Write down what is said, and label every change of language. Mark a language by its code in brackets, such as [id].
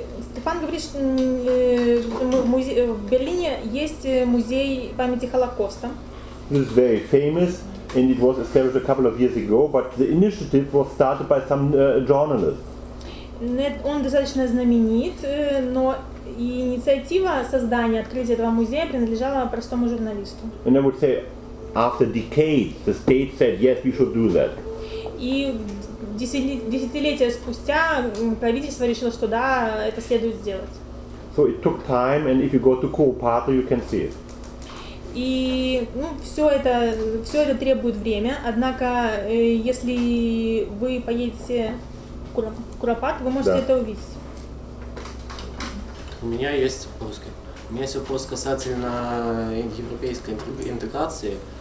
[ru] Стефан говорит, что в Берлине есть музей памяти Холокоста. [en] This is very famous, and it was established a couple of years ago, but the initiative was started by some journalists. [ru] Он достаточно знаменит, но инициатива создания, открытия этого музея принадлежала простому журналисту. [en] And I would say, after decades, the state said, yes, we should do that. [ru] И десятилетия спустя правительство решило, что да, это следует сделать. [en] So it took time, and if you go to Kuopato, you can see it. [ru] И ну, все это требует время, однако если вы поедете в Куропату, вы можете это увидеть. У меня есть вопрос. У меня есть вопрос касательно европейской интеграции.